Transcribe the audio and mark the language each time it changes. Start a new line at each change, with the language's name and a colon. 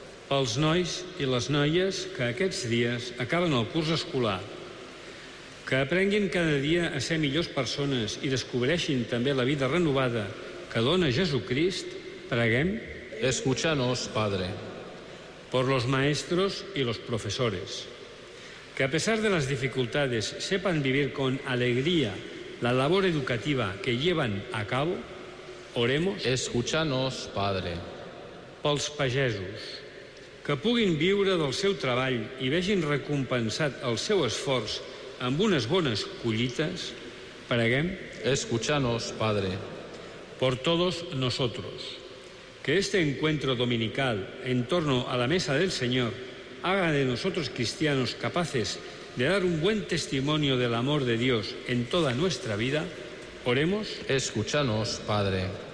Catalan: Pels nois i les noies que aquests dies acaben el curs escolar, que aprenguin cada dia a ser millors persones i descobreixin també la vida renovada que dona Jesucrist, preguem.
Spanish: Escúchanos, Padre. Por los maestros y los profesores, que a pesar de las dificultades sepan vivir con alegría la labor educativa que llevan a cabo, oremos. Escúchanos, Padre.
Catalan: Pels pagesos, que puguin viure del seu treball i vegin recompensat el seu esforç amb unes bones collites, preguem.
Spanish: Escúchanos, Padre. Por todos nosotros, que este encuentro dominical en torno a la mesa del Señor haga de nosotros cristianos capaces de dar un buen testimonio del amor de Dios en toda nuestra vida, oremos. Escúchanos, Padre.